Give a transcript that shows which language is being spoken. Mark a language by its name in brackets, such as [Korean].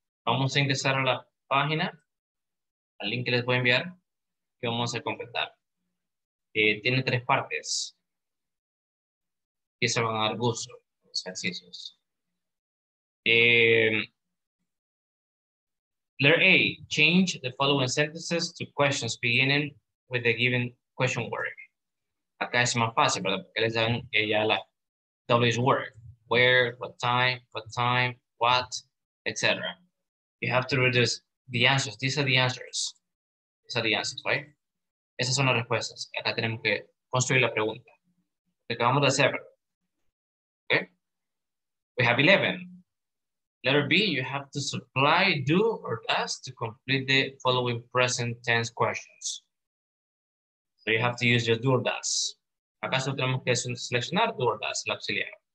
[Spanish] Vamos a ingresar a la página, al link que les voy a enviar, que vamos a completar. Tiene tres partes. Y se van a dar gusto los ejercicios. [English] Letter A, change the following sentences to questions beginning with the given question word. [Spanish] Acá es más fácil, ¿verdad? Porque les dan ya la W's word. [English] Where, what time, what, etc. You have to reduce the answers. These are the answers, right? [Spanish] Esas son las respuestas. Acá tenemos que construir la pregunta. Acabamos de hacer. Okay? [English] We have 11. Letter B, you have to supply, do, or does to complete the following present tense questions. So you have to use your do or does. [Spanish] ¿Acaso tenemos que seleccionar do or does, el auxiliar?